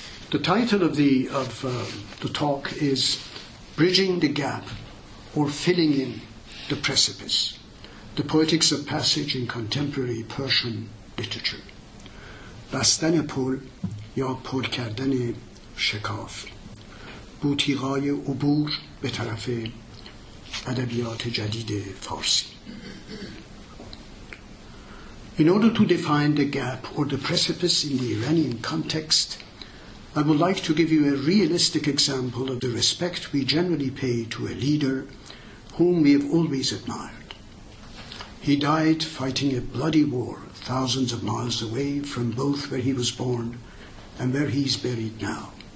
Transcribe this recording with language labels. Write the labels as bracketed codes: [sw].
[en] The title of the talk is Bridging the Gap or Filling in the Precipice, the Poetics of Passage in Contemporary Persian Literature. [fa] بستن پل یا پل کردن شکاف بوتیقای عبور به طرف ادبیات جدید فارسی. [en] In order to define the gap or the precipice in the Iranian context, I would like to give you a realistic example of the respect we generally pay to a leader whom we have always admired. He died fighting a bloody war thousands of miles away from both where he was born and where he is buried now.